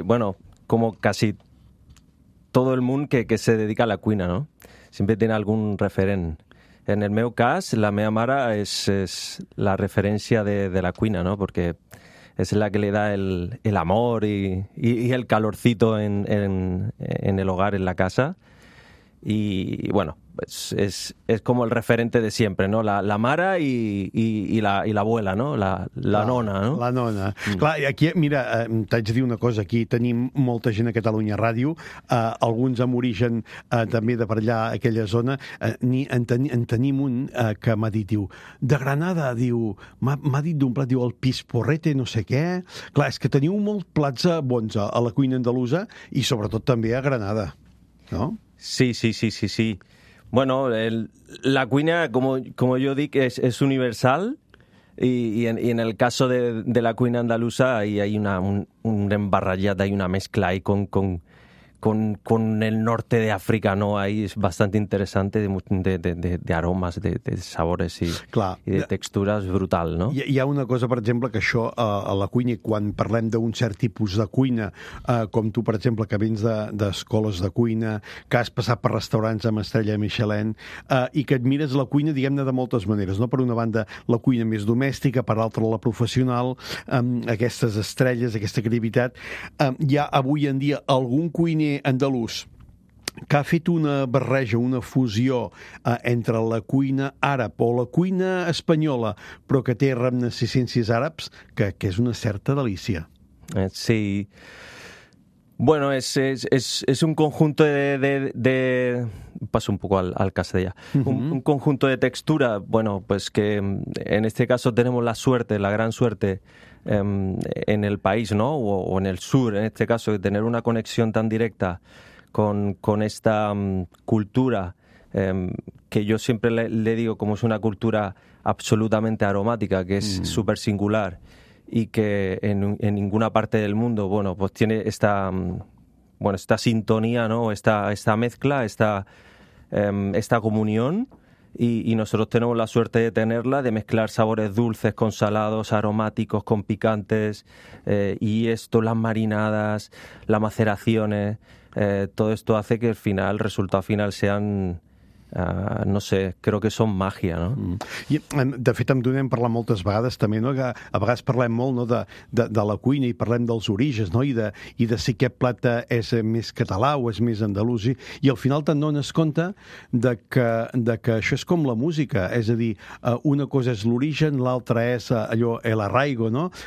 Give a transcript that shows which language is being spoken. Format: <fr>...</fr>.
<es>Bueno, como casi todo el mundo que se dedica a la cuina, ¿no? Siempre tiene algún referent.</es> <ca>En el meu cas, la meva mare és la referència de la cuina, no? Perquè és la que li</ca> <es>da el amor i el calorcito en el hogar, en la casa.</es> <ca>I, bueno, és com el referente de sempre, no? La mare i l'abuela, no? La nona, no? La nona. Mm. Clar, aquí, mira, t'haig de dir una cosa. Aquí tenim molta gent a Catalunya Ràdio, alguns amb origen també de per allà, aquella zona. En tenim un que m'ha dit, diu, de Granada, diu, m'ha dit d'un plat, diu, el pisporrete, no sé què. Clar, és que teniu molt plats bons a la cuina andalusa i sobretot també a Granada, no? Sí.</ca> <es>Bueno, la cuina, como yo digo, es universal y en el caso de la cuina andaluza hay un embarrallado, hay una mezcla ahí con el norte de África, ¿no? Ahí es bastante interesante de aromas, de sabores y, clar, y de texturas, brutal, ¿no?</es> <ca>Hi ha una cosa, per exemple, que això a la cuina, quan parlem d'un cert tipus de cuina, com tu, per exemple, que vens d'escoles de cuina, que has passat per restaurants amb estrella Michelin, i que et mires la cuina, diguem-ne, de moltes maneres, no? Per una banda, la cuina més domèstica, per l'altra, la professional, aquestes estrelles, aquesta creativitat. Hi ha avui en dia algun cuiner andalús que ha fet una barreja, una fusió entre la cuina àrab o la cuina espanyola, però que té reminiscències àrabs, que és una certa delícia. Sí.</ca> <es>Bueno, es un conjunto de paso un poco al castellano. Un conjunto de textura, bueno, pues que en este caso tenemos la suerte, la gran suerte en el país, ¿no? O en el sur, en este caso, de tener una conexión tan directa con esta cultura que yo siempre le digo como es una cultura absolutamente aromática, que es súper singular. Y que en ninguna parte del mundo, bueno, pues tiene esta, bueno, esta sintonía, ¿no? Esta mezcla, esta comunión. Y nosotros tenemos la suerte de tenerla, de mezclar sabores dulces con salados, aromáticos, con picantes. Y esto, las marinadas, las maceraciones, todo esto hace que el final, el resultado final sean...</es> <ca>no sé, crec que són màgia, no? I de fet amb Dunem parlem moltes vegades també, no? Que a vegades parlem molt, no, de la cuina i parlem dels orígens, no? I de si aquest plat és més català o és més andalusi, i al final te'n dones compte de que això és com la música, és a dir, una cosa és l'origen, l'altra és allò</ca> <es>el arraigo,</es> <ca>no?</ca>